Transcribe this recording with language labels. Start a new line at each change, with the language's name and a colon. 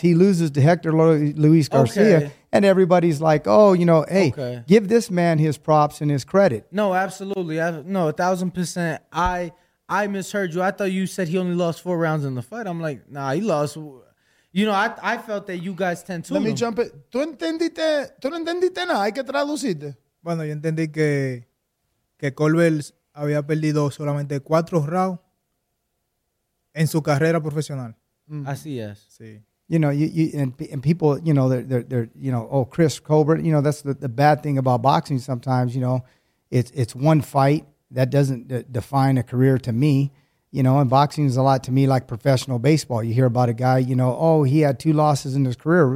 English: He loses to Hector Luis Garcia, and everybody's like, oh, you know, hey, give this man his props and his credit. No, absolutely. No, 1,000%. I misheard you. I thought you said he only lost four rounds in the fight. I'm like, nah, he lost. You know, I felt that you guys tend to. Let me jump it.
Spanish: ¿Tú entendiste nada? Hay que traducirte. Bueno, yo entendí que Colbert había perdido solamente cuatro rounds en su carrera profesional. Mm-hmm. Así es. Sí.
English: You know, you and people, you know, they're you know, oh, Chris Colbert. You know, that's the bad thing about boxing sometimes. You know, it's one fight that doesn't define a career to me. You know, and boxing is a lot to me like professional baseball. You hear about a guy, you know, oh, he had two losses in his career.